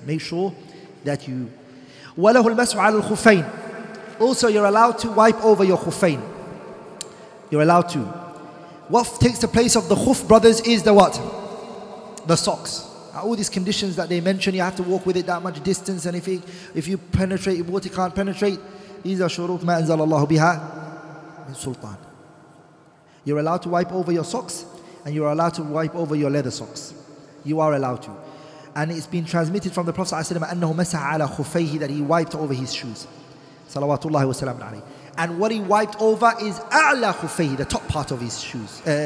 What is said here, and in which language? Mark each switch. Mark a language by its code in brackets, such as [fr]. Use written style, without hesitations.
[en] Make sure that you... [ar] وَلَهُ الْمَسْعُ عَلَى الْخُفَيْنِ. [en] Also, you're allowed to wipe over your khufayn. You're allowed to. What takes the place of the khuf, brothers, is the what? The socks. All these conditions that they mention, you have to walk with it that much distance, and if you penetrate, your water can't penetrate. These are shurut [ar] مَا أَنْزَلَ اللَّهُ بِهَا مِنْ سُلْطَانِ. [en] You're allowed to wipe over your socks, and you're allowed to wipe over your leather socks. You are allowed to. And it's been transmitted from the Prophet ﷺ, [ar] أنه مسح على خفيه, [en] that he wiped over his shoes. [ar] صلوات الله وسلام عليه. [en] And what he wiped over is [ar] أعلى خفيه, [en] the top part of his shoes.